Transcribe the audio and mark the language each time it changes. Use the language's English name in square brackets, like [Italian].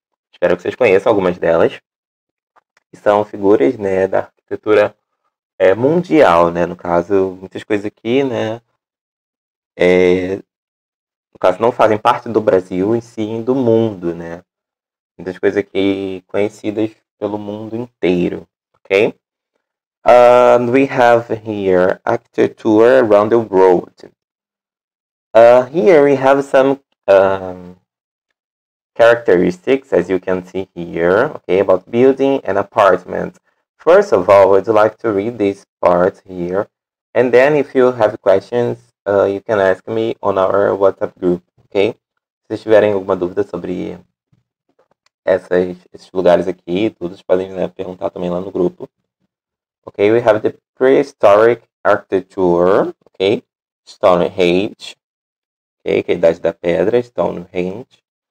[Portuguese] Espero que vocês conheçam algumas delas. E são figuras, né, da arquitetura mundial, né? No caso, muitas coisas aqui, né, no caso, não fazem parte do Brasil e sim do mundo, né? Muitas coisas aqui conhecidas pelo mundo inteiro, ok? [English] And we have here architecture around the world. Here we have some characteristics, as you can see here, okay, about building and apartments. First of all, I'd like to read this part here, and then if you have questions, you can ask me on our WhatsApp group, okay? [Portuguese] Se vocês tiverem alguma dúvida sobre esses lugares aqui, todos podem, né, perguntar também lá no grupo. [English] Okay, we have the prehistoric architecture, okay? [Portuguese] Stonehenge, okay? Que é a idade da pedra, Stonehenge.